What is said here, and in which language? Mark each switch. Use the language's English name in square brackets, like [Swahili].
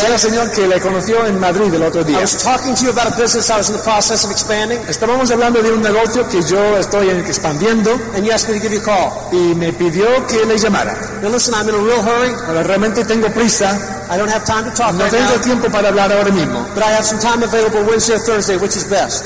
[Spanish] Soy el señor que le conoció en Madrid el otro día. [English] I was talking to you about a business I was in the process of expanding. [Spanish] Estábamos hablando de un negocio que yo estoy expandiendo. [English] And you asked me to give you a call. [Spanish] Y me pidió que le llamara. [English] Now listen, I'm in a real hurry. [Spanish] Pero realmente tengo prisa. [English] I don't have time to talk [Spanish] no [English] right [Spanish] tengo [English] now. [Spanish] Tiempo para hablar ahora mismo. [English] But I have some time available Wednesday or Thursday, which is best.